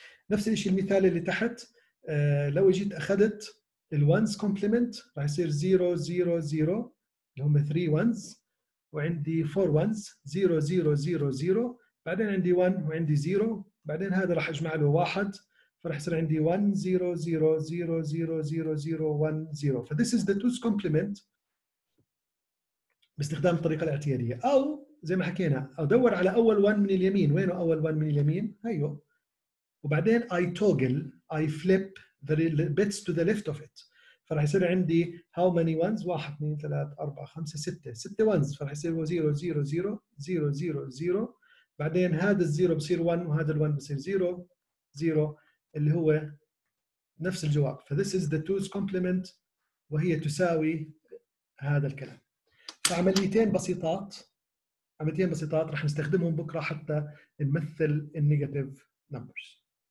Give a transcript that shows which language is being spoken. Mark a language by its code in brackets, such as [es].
[ar] نفس الشيء المثال اللي تحت لو جيت أخذت الوانز كومبليمنت راح يصير 0 0 0 اللي هم 3 ones وعندي 4 ones 0 0 0 0 بعدين عندي 1 وعندي 0 بعدين هذا راح أجمع له 1 فراح يصير عندي 1 0 0 0 0 0 0 1 0. [en] فthis is the two's complement [ar] باستخدام الطريقة الاعتيادية. أو زي ما حكينا أدور على أول one من اليمين. وينه أول one من اليمين؟ هيو. وبعدين [en] I toggle I flip the bits to the left of it [ar] فرح يصير عندي [en] how many ones 1 2 3 4 5 6 ones [ar] فرح يصير [en] 0 0 0 0 0 0. [ar] بعدين هذا الزيرو بصير 1 وهذا الون بصير 0 0 اللي هو نفس الجواب. [en] فthis is the two's complement [ar] وهي تساوي هذا الكلام. فعمليتين بسيطات رح نستخدمهم بكرة حتى نمثل النيجاتيف نمبرز.